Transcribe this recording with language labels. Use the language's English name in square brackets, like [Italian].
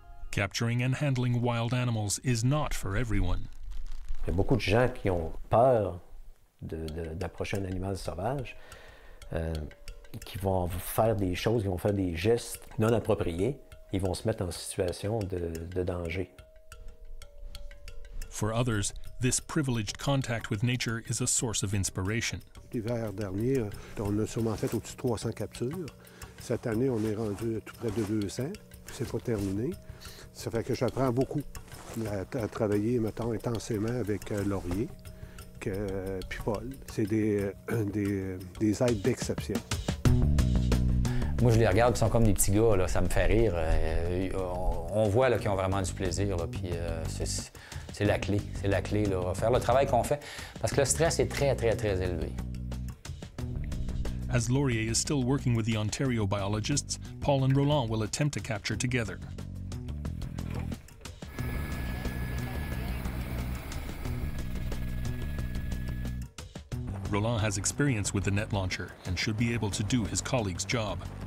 [English] Capturing and handling wild animals is not for everyone. [French] Il y a beaucoup de gens qui ont peur d'approcher un animal sauvage. Qui vont faire des choses, qui vont faire des gestes non appropriés, ils vont se mettre en situation de danger. [English] For others, this privileged contact with nature is a source of inspiration. [French] L'hiver dernier, on a sûrement fait au-dessus de 300 captures. Cette année, on est rendu à tout près de 200. C'est pas terminé. Ça fait que j'apprends beaucoup à travailler, mettons, intensément avec Laurier puis Paul. C'est des aides d'exception. Moi, je les regarde, ils sont comme des petits gars, là. Ça me fait rire. On voit là, qu'ils ont vraiment du plaisir, là. Puis c'est la clé. C'est la clé, là. Faire le travail qu'on fait. Parce que le stress est très, très, très élevé. [English] As Laurier is still working with the Ontario biologists, Paul and Roland will attempt a capture together. Roland has experience with the net launcher and should be able to do his colleague's job.